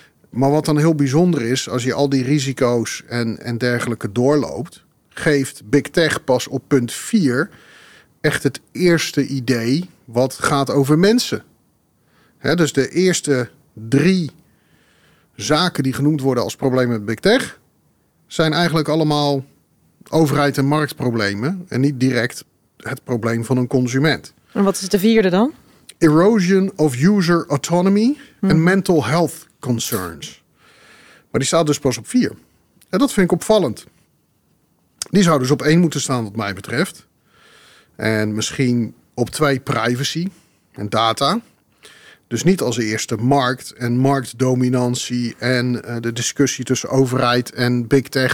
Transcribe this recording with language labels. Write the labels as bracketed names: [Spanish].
[Dutch] Maar wat dan heel bijzonder is, als je al die risico's en dergelijke doorloopt, geeft Big Tech pas op punt 4 echt het eerste idee wat gaat over mensen. Dus de eerste 3 zaken die genoemd worden als problemen met Big Tech zijn eigenlijk allemaal overheid- en marktproblemen en niet direct het probleem van een consument. En wat is de 4e dan? [English] Erosion of user autonomy and mental health concerns. [Dutch] Maar die staat dus pas op 4. En dat vind ik opvallend. Die zou dus op 1 moeten staan wat mij betreft. En misschien op 2 privacy en data. Dus niet als eerste markt en marktdominantie en de discussie tussen overheid en Big Tech.